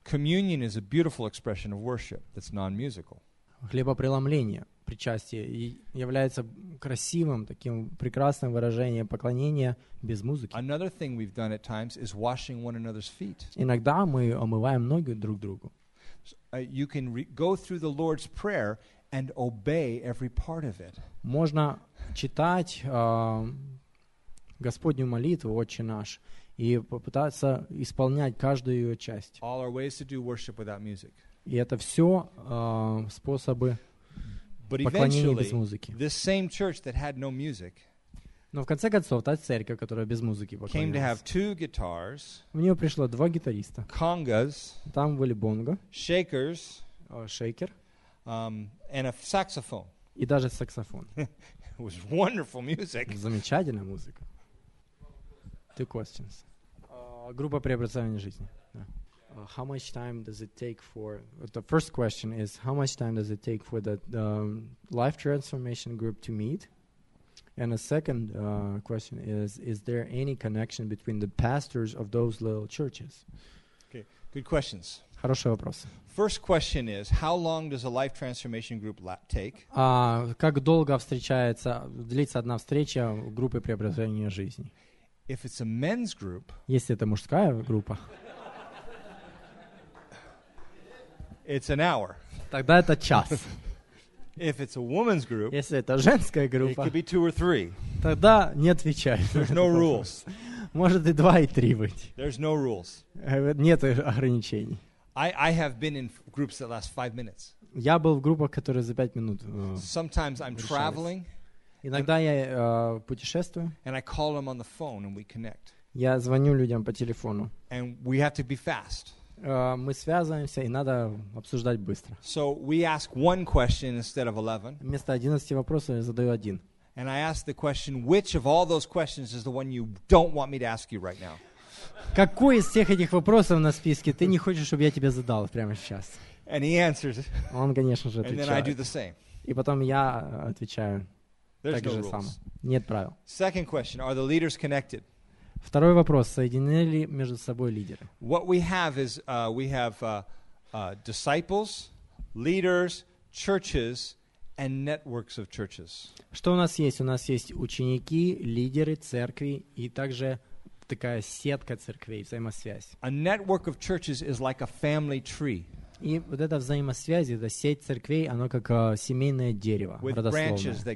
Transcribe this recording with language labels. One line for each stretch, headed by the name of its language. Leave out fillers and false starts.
English: Communion is a beautiful expression of worship that's non-musical.
Russian: Хлебопреломление, причастие, является красивым таким прекрасным выражением поклонения без музыки.
English: Another thing we've done at times is washing one another's feet.
Russian: Иногда мы омываем ноги друг другу.
English: You can go through the Lord's Prayer and obey every part of it.
Russian: Можно читать Господню молитву, Отче наш, и попытаться исполнять каждую ее часть.
English: All our ways to do worship without music.
Russian: И это все способы поклонения без музыки.
English: This same church that had no music,
Russian: но в конце концов, та церковь, которая без музыки
English: came to have two guitars,
Russian: в нее пришло два гитариста.
English: Congas,
Russian: там были бонго,
English: shakers,
Russian: шейкер,
English: and a saxophone.
Russian: И даже саксофон.
English: It was wonderful music.
Russian: Замечательная музыка.
English: Two questions.
Russian: Группа преобразования жизни.
English: How much time does it take for the first question is how much time does it take for the life transformation group to meet? And a second question is there any connection between the pastors of those little churches? Okay, good questions.
Russian: Хороший вопрос.
English: First question is how long does a life transformation group take?
Russian: Как долго встречается длится одна встреча группы преобразования жизни?
English: If it's a men's group,
Russian: если это мужская группа,
English: it's an hour.
Russian: Тогда это час.
English: If it's a woman's group,
Russian: если это женская группа,
English: it could be two or three.
Russian: Тогда не отвечай.
English: There's no rules.
Russian: Может и два и три быть.
English: There's no rules.
Russian: Нет ограничений.
English: I have been in groups that last 5 minutes.
Russian: Я был в группах, которые за 5 минут.
English: Sometimes I'm traveling.
Russian: Иногда я путешествую.
English: And I call them on the phone and we connect.
Russian: Я звоню людям по телефону.
English: And we have to be fast.
Russian: Мы связываемся и надо обсуждать быстро.
English: So we ask one question instead of 11.
Russian: Вместо 11 вопросов я задаю один.
English: And I ask the question, which of all those questions is the one you don't want me to ask you right now?
Russian: Какой из всех этих вопросов на списке ты не хочешь, чтобы я тебе задал прямо сейчас?
English: And he answers.
Russian: Он, конечно же, отвечает.
English: And then I do the same.
Russian: И потом я отвечаю. Так же самое. Нет правил.
English: Second question, are the leaders connected?
Russian: Второй вопрос, соединены ли между собой лидеры?
English: What we have is we have disciples, leaders, churches and networks of churches.
Russian: Что у нас есть? У нас есть ученики, лидеры церкви и также такая сетка церквей, взаимосвязь.
English: A network of churches is like a family tree.
Russian: И вот эта взаимосвязь, эта сеть церквей, она как семейное дерево, родословное.